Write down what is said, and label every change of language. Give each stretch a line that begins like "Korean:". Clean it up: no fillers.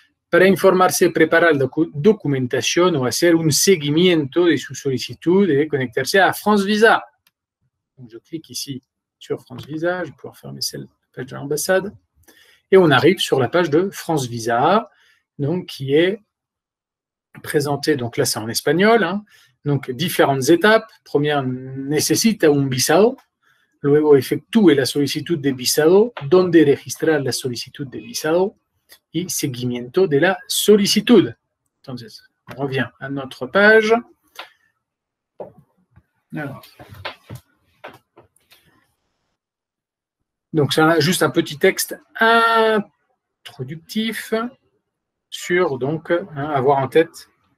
Spanish: Para informarse, preparar la documentación o hacer un seguimiento de su solicitud et conectarse a France Visa.
French: Donc, je clique ici sur France Visa. Je vais pouvoir fermer celle, la page de l'ambassade. Et on arrive sur la page de France Visa, donc, qui est présentée. Donc là, c'est en espagnol, hein. Donc, différentes étapes.
Spanish: Première, necesita un visado. Luego, efectúe la solicitud de visado. ¿Dónde registrar la solicitud de visado? Y seguimiento de la solicitud.
French: Entonces, on revient à notre page. Alors. Donc, ça, juste un petit texte introductif sur, donc, hein, avoir en tête.